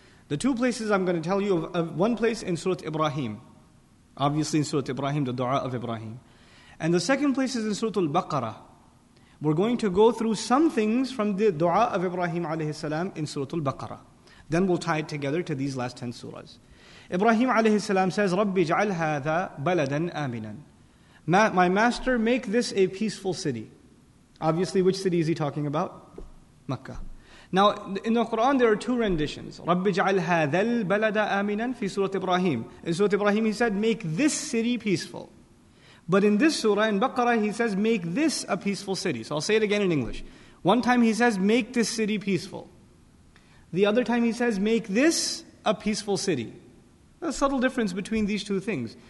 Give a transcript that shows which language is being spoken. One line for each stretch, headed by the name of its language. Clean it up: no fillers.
English: The two places I'm going to tell you of one place in Surah Ibrahim. Obviously in Surah Ibrahim, the dua of Ibrahim. And the second place is in Surah Al-Baqarah. We're going to go through some things from the dua of Ibrahim alayhi salam in Surah Al-Baqarah. Then we'll tie it together to these last 10 surahs. Ibrahim alayhi salam says,
Arabic: رَبِّ جَعَلْ هَذَا بَلَدًا آمِنًا.
English: My master, make this a peaceful city. Obviously, which city is he talking about? Makkah. Now, in the Quran, there are two renditions.
Arabic: رَبِّ جَعَلْ هَذَا الْبَلَدَ آمِنًا فِي Surah Ibrahim.
English: In Surah Ibrahim, he said, make this city peaceful. But in this surah, in Baqarah, he says, make this a peaceful city. So I'll say it again in English. One time he says, make this city peaceful. The other time he says, make this a peaceful city. A subtle difference between these two things.